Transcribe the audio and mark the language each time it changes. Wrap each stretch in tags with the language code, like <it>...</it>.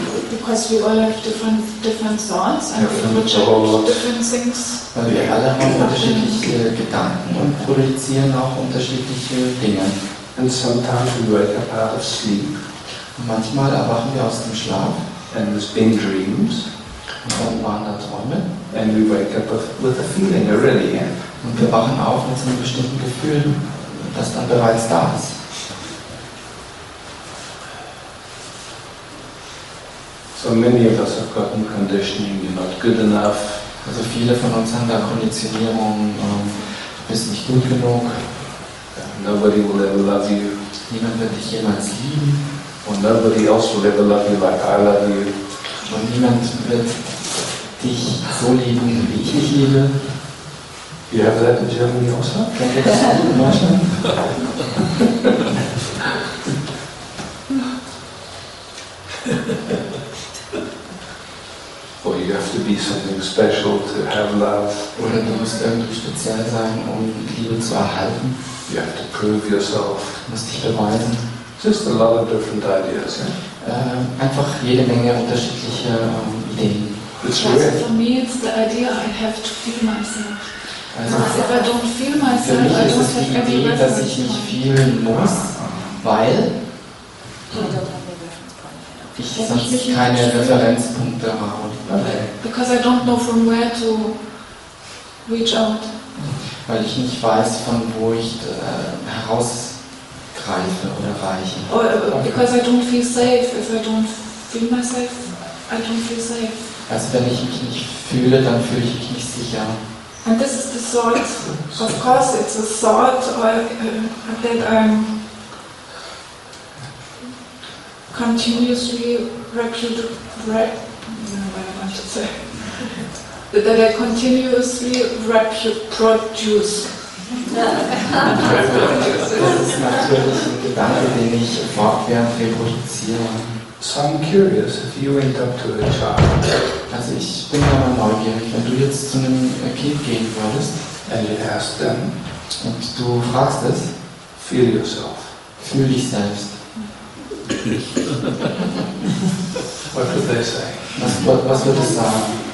<en>Because we all have different thoughts and different things.</en> <de>Weil wir alle haben unterschiedliche Gedanken und produzieren auch unterschiedliche Dinge.</de> <en>And sometimes we wake up out of sleep.</en> <de>Und manchmal erwachen wir aus dem Schlaf.</de> <en>And there's been dreams.</en> <de>Und dann waren da Träume.</de> <en>And we wake up with a feeling already. Yeah?</en> <de>Und wir wachen auf mit so einem bestimmten Gefühl, das dann bereits da ist.</de> <en>So many of us have gotten conditioning, you're not good enough.</en> <de>Also viele von uns haben da Konditionierung, du bist nicht gut genug.</de> <en>Nobody will ever love you.</en> <de>Niemand wird dich jemals lieben.</de> <en>Or nobody else will ever love you like I love you.</en> <de>Und niemand wird dich so lieben, wie ich dich liebe.</de> <en>You have that in Germany also?</en> <de>Kennt ihr das auch in Deutschland?</de> <en>Or you have to be something special to have love.</en> <de>Oder du musst irgendwie speziell sein, um Liebe zu erhalten.</de> <en>You have to prove yourself.</en> <de>Du musst dich beweisen.</de> <en>Just a lot of different ideas, yeah?</en> <de>Einfach jede Menge unterschiedliche Ideen.</de> <en>It's weird. Also for me it's the idea I have to feel myself. Also because if I don't feel myself, I don't have everything.</en> <de>Für mich ist es die Idee, dass ich mich fühlen muss, weil ich sonst keine Referenzpunkte habe.</de> <en>Because I don't know from where to reach out.</en> <de>Weil ich nicht weiß, von wo ich herausgreife oder reiche.</de> <en>Or, because I don't feel safe. If I don't feel myself, I don't feel safe.</en> <de>Also wenn ich mich nicht fühle, dann fühle ich mich nicht sicher.</de> <en>And this is the thought. Of course, it's a thought that I'm continuously reproduce.</en> <de>Das ist natürlich ein Gedanke, den ich fortwährend reproduziere.</de> <en>So I'm curious if you went up to a child.</en> <de>Also ich bin da mal neugierig, wenn du jetzt zu einem Kind gehen würdest.</de> <en>And you ask them.</en> <de>Und du fragst es.</de> <en>Feel yourself.</en> <de>Fühl dich selbst.</de> <en>What would they say?</en> <de>Was würde es sagen?</de>